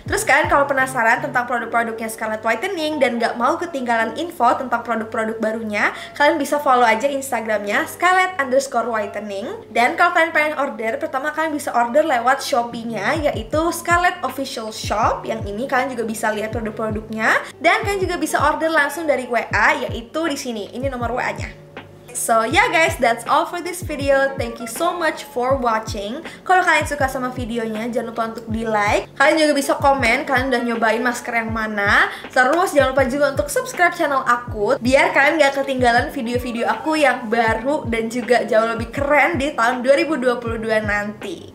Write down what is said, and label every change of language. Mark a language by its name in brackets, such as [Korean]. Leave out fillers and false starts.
[Indonesian] Terus kalian kalau penasaran tentang produk-produknya Scarlet Whitening dan gak mau ketinggalan info tentang produk-produk barunya, kalian bisa follow aja Instagramnya scarlet_whitening. Dan kalau kalian pengen order, pertama kalian bisa order lewat Shopee-nya, yaitu Scarlet Official Shop. Yang ini kalian juga bisa lihat produk-produknya, dan kalian juga bisa order langsung dari WA, yaitu di sini. Ini nomor WA-nya. [English] So yeah guys, that's all for this video. Thank you so much for watching. [Indonesian] Kalau kalian suka sama videonya, jangan lupa untuk di like. Kalian juga bisa komen kalian udah nyobain masker yang mana. Terus jangan lupa juga untuk subscribe channel aku, biar kalian gak ketinggalan video-video aku yang baru dan juga jauh lebih keren di tahun 2022 nanti.